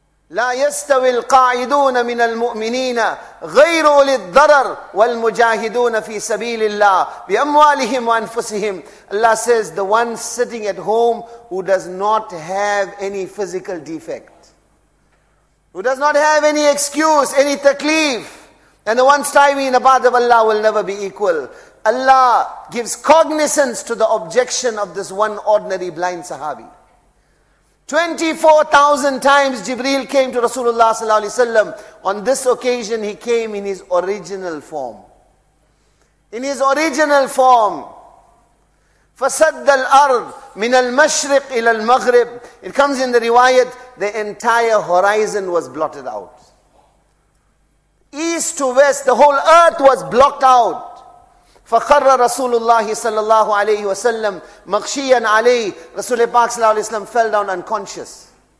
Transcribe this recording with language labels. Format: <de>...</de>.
<ar>لا يستوي القاعدون من المؤمنين غير أولي الضرر والمجاهدون في سبيل الله بأموالهم وأنفسهم.</ar> <en>Allah says, the one sitting at home who does not have any physical defect, who does not have any excuse, any takleef, and the one striving in the path of Allah will never be equal. Allah gives cognizance to the objection of this one ordinary blind sahabi. 24,000 times Jibreel came to Rasulullah sallallahu alaihi wasallam. On this occasion, he came in his original form. In his original form,</en> <ar>فَسَدَّ الْأَرْضِ مِنَ الْمَشْرِقِ إِلَى الْمَغْرِبِ.</ar> <en>It comes in the riwayat, the entire horizon was blotted out. East to west, the whole earth was blocked out.</en> <ar>فَخَرَّ رَسُولُ اللَّهِ صَلَّى اللَّهُ عَلَيْهِ وَسَلَّمْ مَغْشِيًا عَلَيْهِ.</ar> <en>Rasul Pak sallallahu alayhi wa sallam fell down unconscious.</en>